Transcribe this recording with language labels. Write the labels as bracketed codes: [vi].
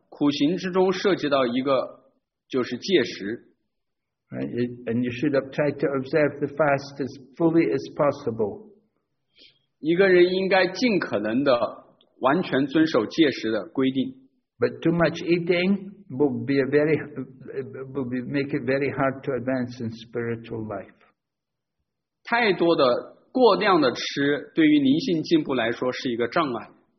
[zh] 苦行之中涉及到一个就是戒食。 [en] And you should have tried to observe the fast as fully as possible. [zh] 一个人应该尽可能的完全遵守戒食的规定。 [en] But too much eating will make it very hard to advance in spiritual life. [zh] 太多的过量的吃对于灵性进步来说是一个障碍。